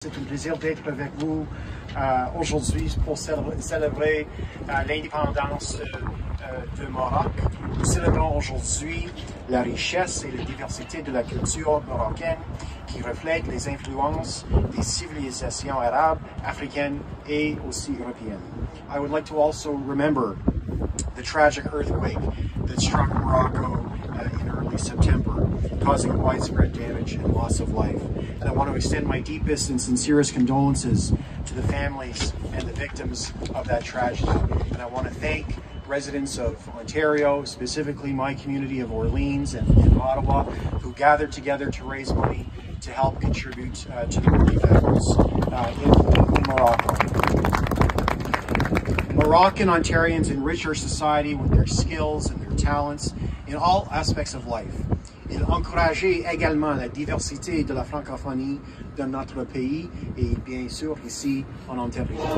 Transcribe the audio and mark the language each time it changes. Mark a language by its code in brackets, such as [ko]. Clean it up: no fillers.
[fr] C'est un plaisir d'être avec vous aujourd'hui pour célébrer l'indépendance du Maroc. Nous célébrons aujourd'hui la richesse et la diversité de la culture marocaine qui reflète les influences des civilisations arabes, africaines et aussi européennes. [en] I would like to also remember the tragic earthquake that struck Morocco in early September, causing widespread damage and loss of life. And I want to extend my deepest and sincerest condolences to the families and the victims of that tragedy. And I want to thank residents of Ontario, specifically my community of Orleans and in Ottawa, who gathered together to raise money to help contribute to the relief efforts in Morocco. Moroccan Ontarians enrich our society with their skills and their talents in all aspects of life. [fr] Il encourage également la diversité de la francophonie dans notre pays et bien sûr ici en Ontario.